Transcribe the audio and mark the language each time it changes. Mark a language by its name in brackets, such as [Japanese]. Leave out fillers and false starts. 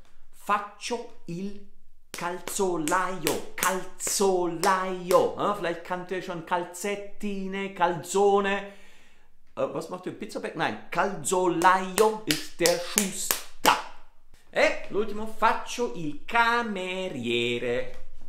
[Italian] faccio il calzolaio, calzolaio. [German] Vielleicht kannte ihr schon Calzettine, Calzone. Was macht ihr? Pizzaback? Nein, calzolaio ist der Schuster. [Italian] E l'ultimo, faccio il cameriere.